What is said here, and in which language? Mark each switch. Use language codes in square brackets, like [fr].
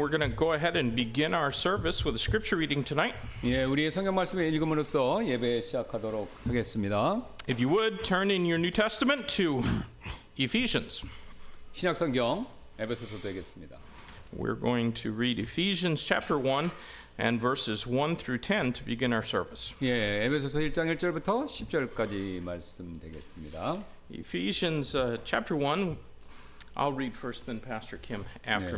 [en] We're going to go ahead and begin our service with a scripture reading tonight. [ko] 예, 우리의 성경 말씀을 읽음으로써 예배 시작하도록 하겠습니다. [en] If you would turn in your New Testament to Ephesians. [ko] 신약 성경 에베소서 되겠습니다. [en] We're going to read Ephesians chapter 1 and verses 1 through 10 to begin our service. [ko] 예, 에베소서 1장 1절부터 10절까지 말씀 되겠습니다. [en] Ephesians chapter 1. I'll read first, then Pastor Kim after